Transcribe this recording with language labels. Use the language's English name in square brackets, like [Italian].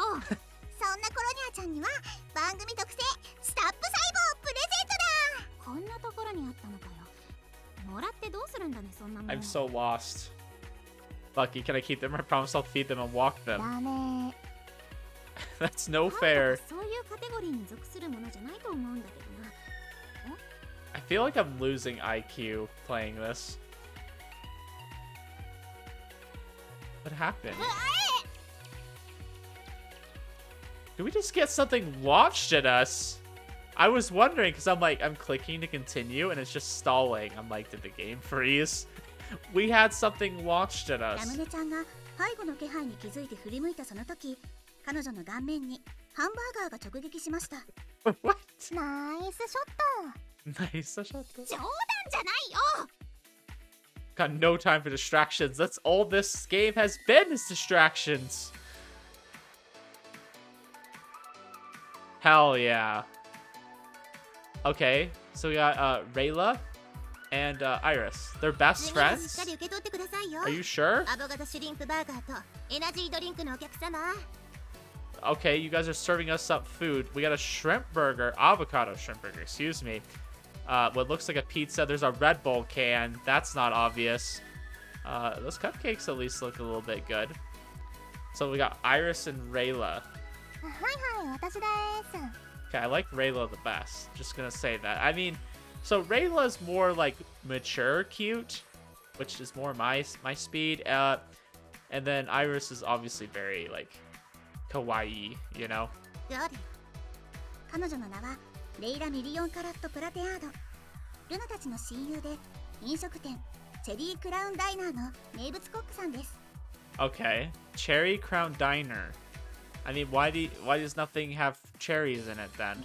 [Japanese] そんなコロニアちゃんには番組特製スタップ細胞プレゼントだ。こんなところにあったのかよ。もらってどうするんだね、そんなもん。 [English] I'm so lost. Lucky, can I keep them? I promise I'll feed them and walk them. [Japanese] ダメ。 [English] That's no fair. [Japanese] そういうカテゴリーに属するものじゃないと思うんだけどな。 [English] I feel like I'm losing IQ playing this. What happened? Did we just get something launched at us? I was wondering because I'm like, I'm clicking to continue and it's just stalling. I'm like, did the game freeze? We had something launched at us. [Japanese] Lamunation が背後の気配に気づいて振り向いたその時、彼女の顔面にハンバーガーが直撃しました。 [English] What? [Japanese] ナイスショット。ナイスショット。冗談じゃないよ。 [English] Got no time for distractions. That's all this game has been is distractions. Hell yeah. Okay, so we got Rayla and Iris. They're best friends. [Japanese] しっかり受け取ってくださいよ。 [English] Are you sure? [Japanese] アボガドシュリンプバーガーとエナジードリンクのお客様。 [English] Okay, you guys are serving us up food. We got a shrimp burger, avocado shrimp burger, excuse me. What looks like a pizza. There's a Red Bull can. That's not obvious. Those cupcakes at least look a little bit good. So we got Iris and Rayla. Hi, hi, [Japanese] 私です. [English] Okay, I like Rayla the best. Just gonna say that. I mean, so Rayla's more like mature cute, which is more my speed. And then Iris is obviously very like... Kawaii, you know? Good. [Japanese] 彼女の名はレイラ・ミリオン・カラット・プラテアード。ルナたちの親友で飲食店チェリー・クラウン・ダイナーの名物コックさんです。 [English] Okay. Cherry Crown Diner. I mean, why does nothing have cherries in it then?